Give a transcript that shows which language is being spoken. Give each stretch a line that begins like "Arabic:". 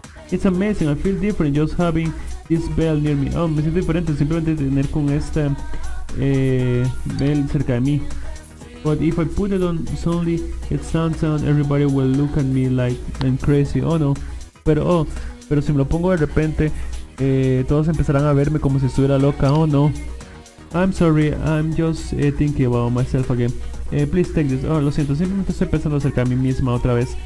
English: It's amazing. I feel different just having this bell near me.
Spanish: Oh, me siento diferente. Simplemente tener con esta... bell cerca de mí.
English: But if I put it on suddenly, it sounds and everybody will look at me like I'm crazy. Oh no.
Spanish: Pero si me lo pongo de repente, todos empezarán a verme como si estuviera loca.
English: Oh no. I'm sorry, I'm just thinking about myself again. Please take this.
Spanish: Oh, lo siento, simplemente estoy pensando acerca de mí misma otra vez.